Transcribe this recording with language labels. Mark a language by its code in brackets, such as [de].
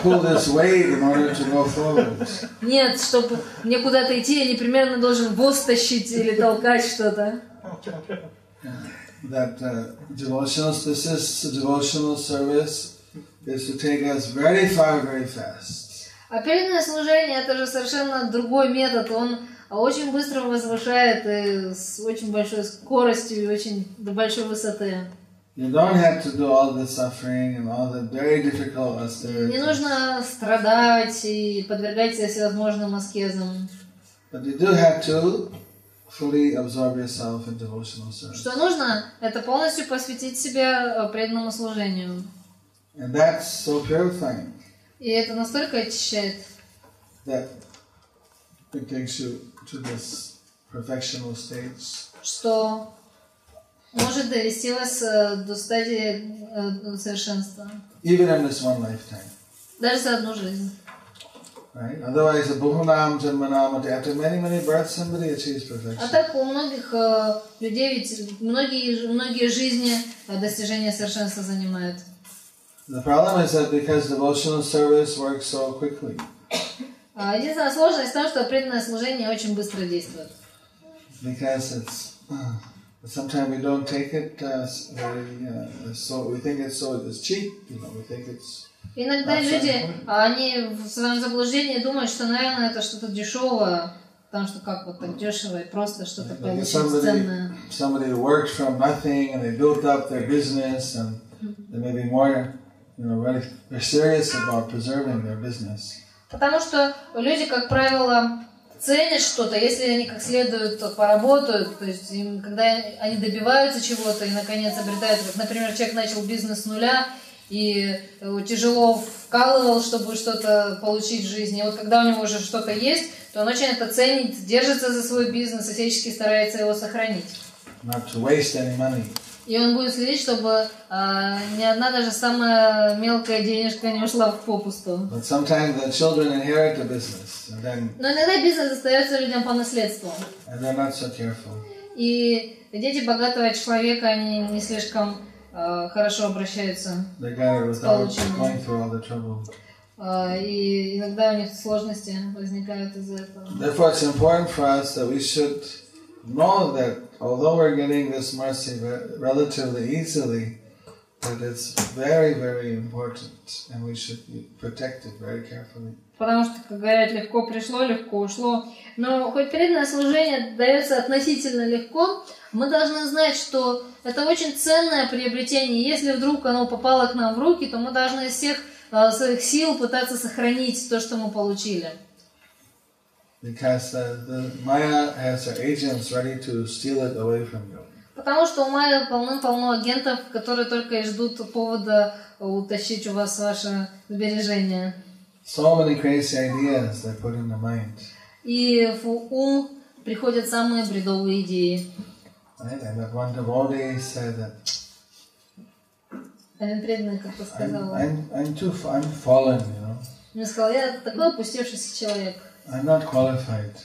[en] pull this weight in order to go forward. [ru] Нет, чтобы мне куда-то идти, я непременно должен воз тащить или толкать что-то. [en] That devotionals, this is a devotional service. Is to take us very far, very fast. [ru] А преданное служение это же совершенно другой метод. Он очень быстро возвышает с очень большой скоростью и очень до большой высоты. [en] You don't have to do all the suffering and all the very difficult austerities. [ru] Не нужно страдать и подвергать себя всевозможным аскезам. [en] But you do have to fully absorb yourself in devotional service. [ru] Что нужно? Это полностью посвятить себя преданному служению. [en] And that's so purifying. [ru] И это настолько очищает. [en] That it takes you to this perfectional state. [ru] Что может довести вас до стадии совершенства. [en] Even in this one lifetime. [ru] Даже за одну жизнь. [en] Right? Otherwise, [sa] a bhuvanam janmanam, [en] after many, many births, somebody achieves perfection. [ru] А так у многих людей ведь многие жизни достижение совершенства занимают. [en] The problem is that because devotional service works so quickly. [ru] Единственная сложность в том, что преданное служение очень быстро действует. [en] Because it's sometimes we don't take it very so we think it's so it's cheap, you know, we think it's. [ru] Иногда люди, они в своем заблуждении думают, что, наверное, это что-то дешевое, потому что как вот так дешево и просто что-то получить ценное. [en] Somebody worked from nothing and they built up their business and they may be more. You know, they're serious about preserving their business. [ru] Потому что люди, как правило, ценят что-то, если они как следует поработают, то есть им, когда они добиваются чего-то и наконец обретают, вот, например, человек начал бизнес с нуля и тяжело вкалывал, чтобы что-то получить в жизни. И вот когда у него уже что-то есть, то он очень это ценит, держится за свой бизнес, и всячески старается его сохранить. [en] Not to waste any money. [ru] И он будет следить, чтобы ни одна даже самая мелкая денежка не ушла впопусту. [en] But sometimes the children inherit the business, and then. [ru] Но иногда бизнес остается людям по наследству. [en] And they're not so careful. [ru] И дети богатого человека они не слишком хорошо обращаются. [en] They got it without going through all the trouble. [ru] И иногда у них сложности возникают из-за этого. [en] Therefore, it's important for us that we should know that although we're getting this mercy relatively easily, that it's very, very important, and we should protect it very carefully. [ru] Потому что, как говорят, легко пришло, легко ушло. Но хоть преданное служение дается относительно легко, мы должны знать, что это очень ценное приобретение. Если вдруг оно попало к нам в руки, то мы должны из всех своих сил пытаться сохранить то, что мы получили. [en] Because the Maya has her agents ready to steal it away from you. [ru] Потому что у Майя полно агентов, которые только и ждут повода утащить у вас ваше сбережение. [en] So many crazy ideas they put in the mind. [ru] И в ум приходят самые бредовые идеи. [en] Right? And that one devotee said that. [ru] Один преданный как-то сказал. [en] I'm fallen, you know. [ru] Мне сказал, я такой опустевшийся человек. [en] I'm not qualified.